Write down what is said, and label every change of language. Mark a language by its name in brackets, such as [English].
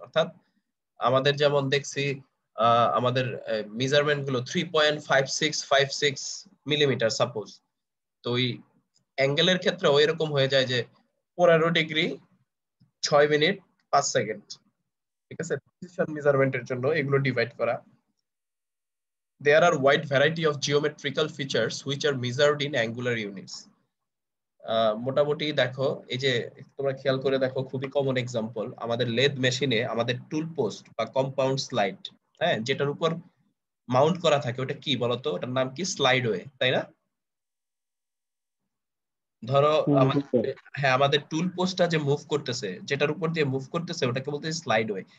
[Bangla] অর্থাৎ আমাদের যেমন দেখছি আমাদের মেজারমেন্ট গুলো 3.5656 মিলিমিটার সাপোজ, তো ওই অ্যাঙ্গেলের ক্ষেত্রে ওই রকম হয়ে যায় যে 15 ডিগ্রি 6 মিনিট 5 সেকেন্ড। ঠিক আছে, প্রিসিশন মেজারমেন্টের জন্য এগুলো ডিভাইড করা। [English] There are wide variety of geometrical features which are measured in angular units. [Bangla] মোটামুটি দেখো, এই যে তোমরা খেয়াল করে দেখো, খুবই কমন এক্সাম্পল আমাদের লেদ মেশিনে আমাদের টুল পোস্ট বা কম্পাউন্ড স্লাইড, হ্যাঁ, যেটার উপর মাউন্ট করা থাকে ওটা কি বলতো? ওটার নাম কি? স্লাইড ওয়ে, তাই না? ধরো আমাদের, হ্যাঁ, আমাদের টুল পোস্টটা যে মুভ করতেছে, যেটার উপর দিয়ে মুভ করতেছে ওটাকে বলতে স্লাইড ওয়ে।